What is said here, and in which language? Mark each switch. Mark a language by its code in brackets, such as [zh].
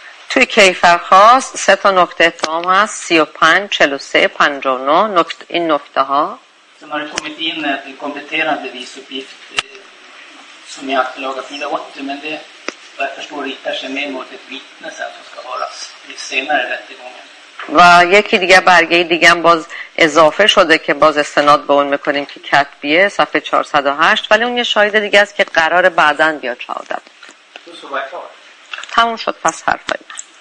[fa] توی کیفر خاص 3 تا نکته اتهام هست، 35، 43، 59 نکته. این نکته ها [sv] Sen har det kommit in en kompletterad bevisuppgift som är att laga 480, men det, vad jag förstår, riktar sig mer mot ett vittne sen som ska höras i senare rättegången. [fa] و یکی دیگه برگه دیگه هم باز اضافه شده که باز استناد به اون میکنیم که کتبیه صفحه 408، ولی اون یه شاهد دیگه است که قرار بعدن بیاد شهادت. تموم شد پس حرفای من.